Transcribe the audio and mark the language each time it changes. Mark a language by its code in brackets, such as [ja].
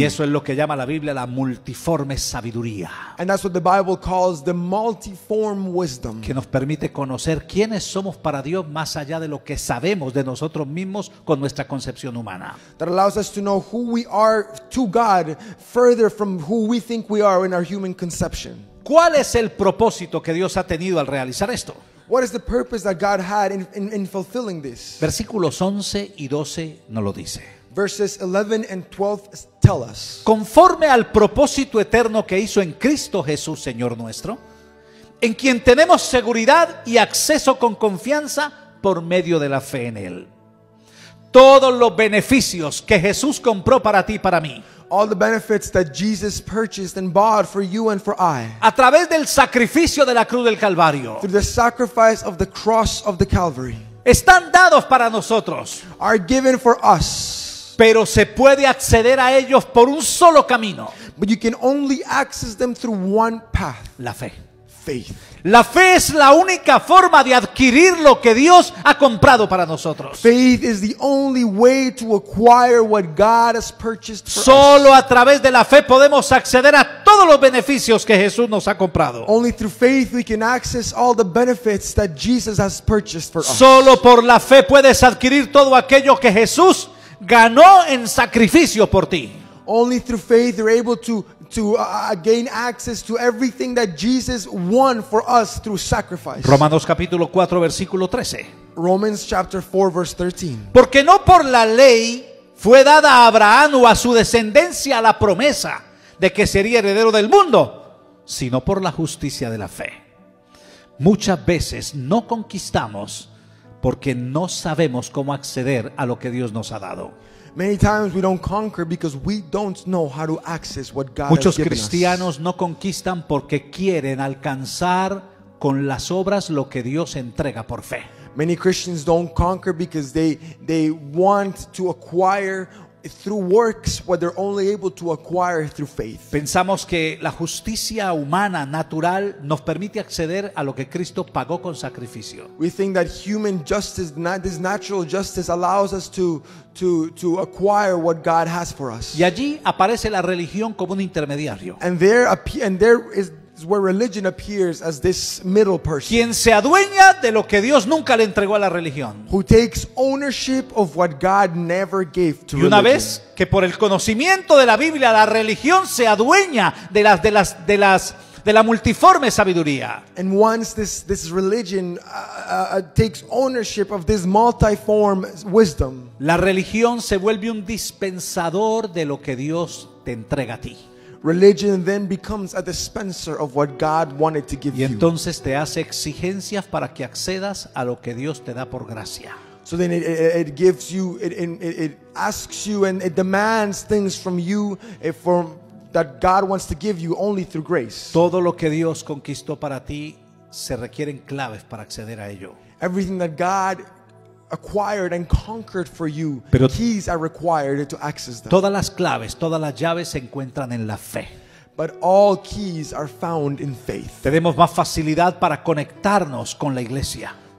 [es] Y eso es lo que llama la Biblia la multiforme sabiduría. [en] And that's what the Bible calls the multiform wisdom, [es] que nos permite conocer quiénes somos para Dios más allá de lo que sabemos de nosotros mismos con nuestra concepción humana. [en] That allows us to know who we are to God further from who we think we are in our human conception. [es] ¿Cuál es el propósito que Dios ha tenido al realizar esto? [en] What is the purpose that God had in fulfilling this? [es] Versículos 11 y 12 nos lo dice. [en] Verses 11 and 12 tell us. [es] Conforme al propósito eterno que hizo en Cristo Jesús, Señor nuestro, en quien tenemos seguridad y acceso con confianza por medio de la fe en Él. Todos los beneficios que Jesús compró para ti y para mí. [en] All the benefits that Jesus purchased and bought for you and for I. [es] A través del sacrificio de la cruz del Calvario. [en] Through the sacrifice of the cross of the Calvary. [es] Están dados para nosotros. [en] Are given for us. [es] Pero se puede acceder a ellos por un solo camino. [en] But you can only access them through one path. [es] La fe. [en] Faith. [es] La fe es la única forma de adquirir lo que Dios ha comprado para nosotros. [en] Faith is the only way to acquire what God has purchased for us. [es] Solo a través de la fe podemos acceder a todos los beneficios que Jesús nos ha comprado. [en] Only through faith we can access all the benefits that Jesus has purchased for us. [es] Solo por la fe puedes adquirir todo aquello que Jesús ganó en sacrificio por ti. [en] Only through faith you're able to gain access to everything that Jesus won for us through sacrifice. [es] Romanos capítulo 4 versículo 13. [en] Romans chapter 4 verse 13. [es] Porque no por la ley fue dada a Abraham o a su descendencia la promesa de que sería heredero del mundo, sino por la justicia de la fe. Muchas veces no conquistamos porque no sabemos cómo acceder a lo que Dios nos ha dado. [en] Many times we don't conquer because we don't know how to access what God has given us. [es] Muchos cristianos no conquistan porque quieren alcanzar con las obras lo que Dios entrega por fe. [en] Many Christians don't conquer because they want to acquire through works what they're only able to acquire through faith. [es] Pensamos que la justicia humana natural nos permite acceder a lo que Cristo pagó con sacrificio. [en] We think that human justice, this natural justice, allows us to acquire what God has for us. [es] Y allí aparece la religión como un intermediario. [en] And there is where religion appears as this middle person. [es] Quien se adueña de lo que Dios nunca le entregó a la religión. [en] Who takes ownership of what God never gave to [es] religion. Y una vez que por el conocimiento de la Biblia la religión se adueña de la multiforme sabiduría. [en] And once this religion takes ownership of this multiform wisdom. [es] La religión se vuelve un dispensador de lo que Dios te entrega a ti. [en] Religion then becomes a dispenser of what God wanted to give you. [es] Y entonces te hace exigencias para que accedas a lo que Dios te da por gracia. [en] So then it gives you, it asks you and it demands things from you that God wants to give you only through grace. [es] Todo lo que Dios conquistó para ti se requieren claves para acceder a ello. [en] Everything that God acquired and conquered for you. Pero keys are required to access them. [es] Todas las claves, todas las llaves se encuentran en la fe. [en] But all keys are found in faith. [es] Tenemos más facilidad para conectarnos con la iglesia.